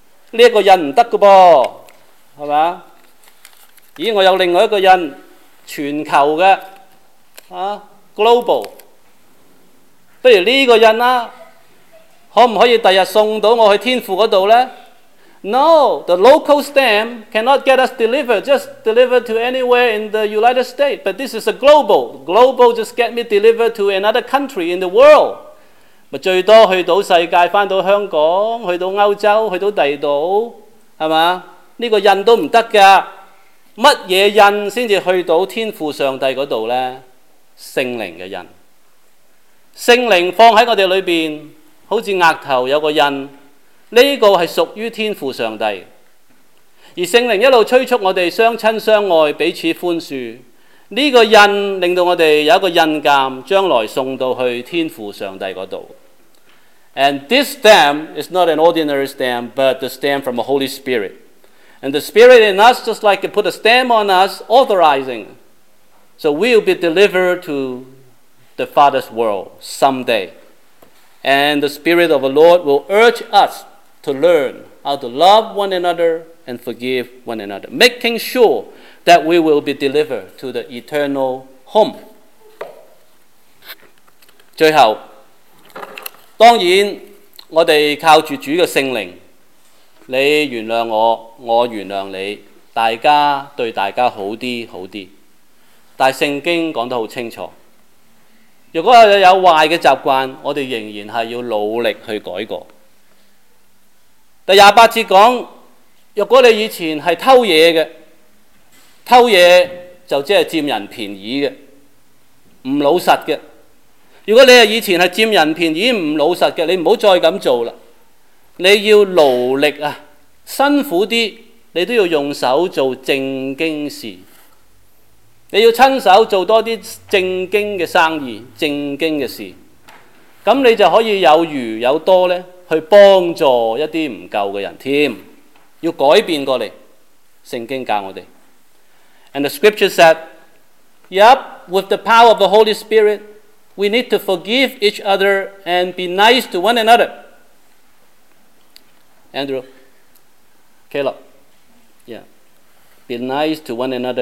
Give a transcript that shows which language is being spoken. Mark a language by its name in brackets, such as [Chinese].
[Cantonese] 这个印不得的噃，是吧？咦，我有另外一个印，全球的、global， 不如这个印、可不可以第日送到我去天父那里呢？ [English] No, the local stamp cannot get us delivered, just delivered to anywhere in the United States, but this is a global. Global just get me delivered to another country in the world. [Cantonese] 最多去到世界，回到香港，去到欧洲，去到地岛，是吧？这个印都不得的。乜嘢印先至去到天父上帝嗰度咧？圣灵嘅印，圣灵放喺我哋里边，好似额头有个印，呢、这个系属于天父上帝。而圣灵一路催促我哋相亲相爱，彼此宽恕，呢、这个印令到我哋有一个印鉴，将来送到去天父上帝嗰度。 [English] And this stamp is not an ordinary stamp, but the stamp from the Holy Spirit. And the Spirit in us, just like it put a stamp on us, authorizing. So we'll be delivered to the Father's world someday. And the Spirit of the Lord will urge us to learn how to love one another and forgive one another, making sure that we will be delivered to the eternal home. [Cantonese] 最后，当然，我们靠着主的圣灵，你原谅我，我原谅你，大家对大家好啲好啲。但系圣经讲得好清楚，如果有坏嘅习惯，我哋仍然系要努力去改过。第廿八节讲，如果你以前系偷嘢嘅，偷嘢就即系占人便宜嘅，唔老实嘅。如果你系以前系占人便宜唔老实嘅，你唔好再咁做啦。你要劳力啊，辛苦啲，你都要用手做正经事。你要亲手做多啲正经嘅生意、正经嘅事，咁你就可以有余有多咧，去帮助一啲唔够嘅人添。要改变过嚟，圣经教我哋。 [English] And the scripture said, "Yep, with the power of the Holy Spirit, we need to forgive each other and be nice to one another." Andrew, Caleb, yeah, be nice to one another.